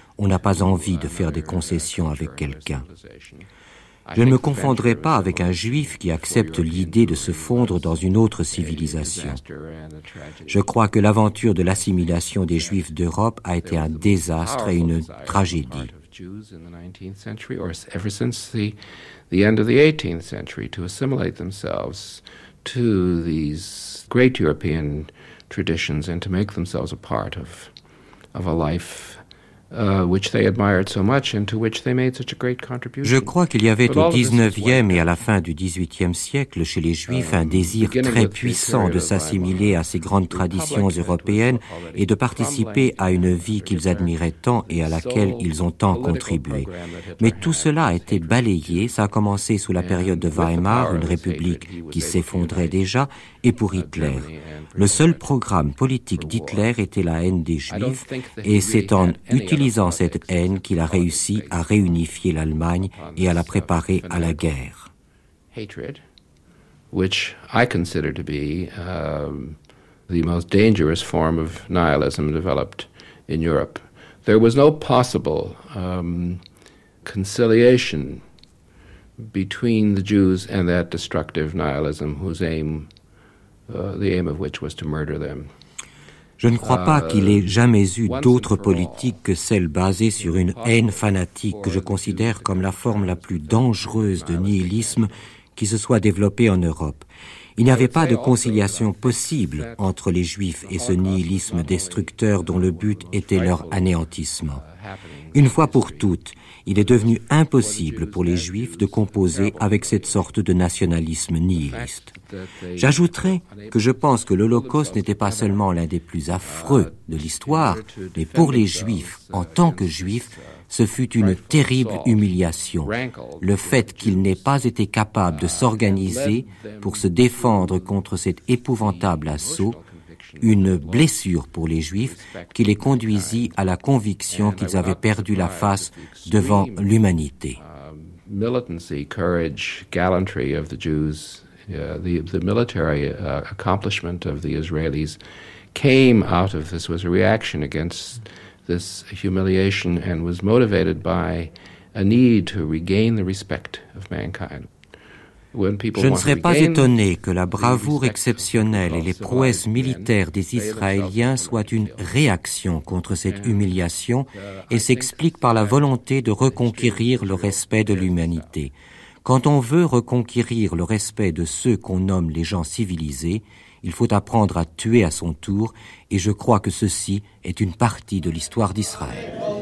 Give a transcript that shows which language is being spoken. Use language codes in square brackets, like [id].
[fr] On n'a pas envie de faire des concessions avec quelqu'un. Je ne me confondrai pas avec un Juif qui accepte l'idée de se fondre dans une autre civilisation. Je crois que l'aventure de l'assimilation des Juifs d'Europe a été un désastre et une tragédie. [en] Jews in the 19th century, or ever since the end of the 18th century, to assimilate themselves to these great European traditions and to make themselves a part of a life which they admired so much and to which they made such a great contribution. [fr] Je crois qu'il y avait au 19e et à la fin du 18e siècle chez les Juifs un désir très puissant de s'assimiler à ces grandes traditions européennes et de participer à une vie qu'ils admiraient tant et à laquelle ils ont tant contribué. Mais tout cela a été balayé, ça a commencé sous la période de Weimar, une république qui s'effondrait déjà, et pour Hitler. Le seul programme politique d'Hitler était la haine des Juifs, et c'est en utilisant cette haine qu'il a réussi à réunifier l'Allemagne et à la préparer à la guerre. [en] Hatred, which I consider to be the most dangerous form of nihilism developed in Europe. There was no possible conciliation between the Jews and that destructive nihilism whose aim the aim of which was to murder them. [fr] Je ne crois pas qu'il ait jamais eu d'autre politique que celle basée sur une haine fanatique que je considère comme la forme la plus dangereuse de nihilisme qui se soit développée en Europe. Il n'y avait pas de conciliation possible entre les Juifs et ce nihilisme destructeur dont le but était leur anéantissement. Une fois pour toutes, il est devenu impossible pour les Juifs de composer avec cette sorte de nationalisme nihiliste. J'ajouterai que je pense que l'Holocauste n'était pas seulement l'un des plus affreux de l'histoire, mais pour les Juifs, en tant que Juifs, ce fut une terrible humiliation, le fait qu'ils n'aient pas été capables de s'organiser pour se défendre contre cet épouvantable assaut, une blessure pour les Juifs qui les conduisit à la conviction qu'ils avaient perdu la face devant l'humanité. [en] Militancy, courage, gallantry of the Jews, the military accomplishment of the Israelis came out of this, was a reaction against this humiliation and was motivated by a need to regain the respect of mankind. [fr] Je ne serais pas étonné que la bravoure exceptionnelle et les prouesses militaires des Israéliens soient une réaction contre cette humiliation et s'expliquent par la volonté de reconquérir le respect de l'humanité. Quand on veut reconquérir le respect de ceux qu'on nomme les gens civilisés, il faut apprendre à tuer à son tour, et je crois que ceci est une partie de l'histoire d'Israël.